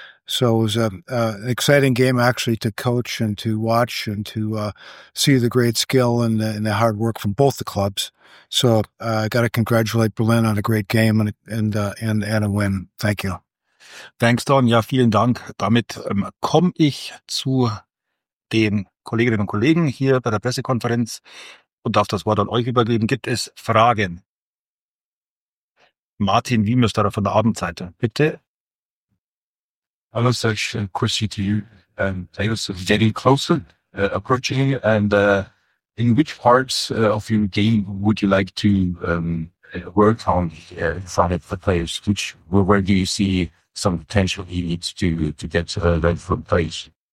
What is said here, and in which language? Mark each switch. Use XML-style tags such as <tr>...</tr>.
<en>So it was an exciting game actually to coach and to watch and to see the great skill and the hard work from both the clubs. So I got to congratulate Berlin on a great game and a win. Thank you. Thanks, Don.</en> <de>Ja, vielen Dank. Damit komme ich zu den Kolleginnen und Kollegen hier bei der Pressekonferenz und darf das Wort an euch übergeben. Gibt es Fragen? Martin Wiemester von der Abendseite, bitte.</de> <en>Hello, Serge. A question to you. Taylor, so getting closer, approaching, and in which parts of your game would you like to work on inside of the players? Where do you see some potential he needs to get to that from place?</en>